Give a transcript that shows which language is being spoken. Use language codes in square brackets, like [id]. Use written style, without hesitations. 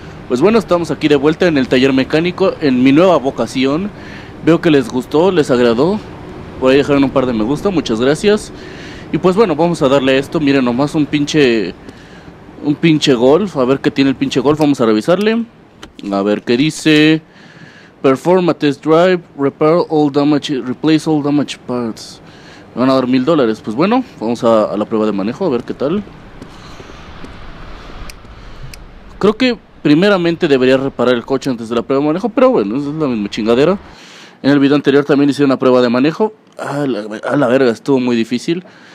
[es] Pues bueno, estamos aquí de vuelta en el taller mecánico, en mi nueva vocación. Veo que les gustó, les agradó. Por ahí dejaron un par de me gusta, muchas gracias. Y pues bueno, vamos a darle a esto. Miren nomás un pinche Golf. A ver qué tiene el pinche Golf, vamos a revisarle. A ver qué dice. [en] Perform a test drive, repair all damage, replace all damage parts. [es] Me van a dar $1,000. Pues bueno, vamos a la prueba de manejo, a ver qué tal. Creo que primeramente debería reparar el coche antes de la prueba de manejo, pero bueno, es la misma chingadera. En el video anterior también hice una prueba de manejo. A la verga, estuvo muy difícil.